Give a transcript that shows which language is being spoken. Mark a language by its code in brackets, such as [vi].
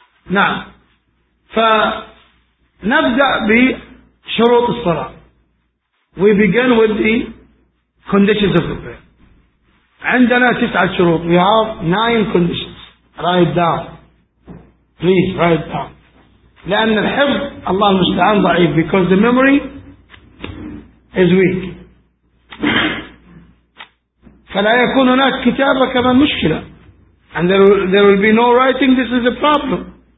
[ar] Now, فنبدأ بشروط الصلاة. [en] We begin with the conditions of the prayer. [ar] عندنا تسعة شروط. [en] We have 9 conditions. Write down. Please write down. [ar] لأن الحفظ الله المستعان ضعيف, [en] because the memory is weak. [ar] فلا يكون هناك كتابة كما مشكلة. [en] And there will be no writing, this is a problem.